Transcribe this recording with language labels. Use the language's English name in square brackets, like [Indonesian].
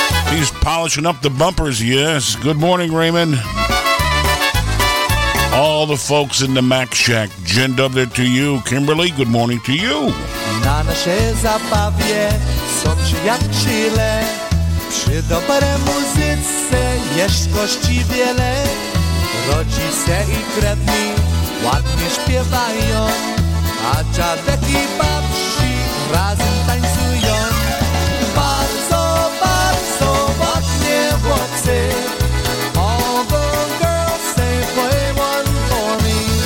[English] He's polishing up the bumpers, yes. Good morning, Raymond. All the folks in the Mac Shack, Jen Dubner to you. Kimberly, good morning to you. [Polish] Na nasze zabawie są przyjaciele. Przy dobrej muzyce jest gości wiele. Rodzice i krewni ładnie śpiewają. A dziadek i babci razem tańcują. Bardzo, bardzo ładnie chłopcy. [English] All the girls say play one for me.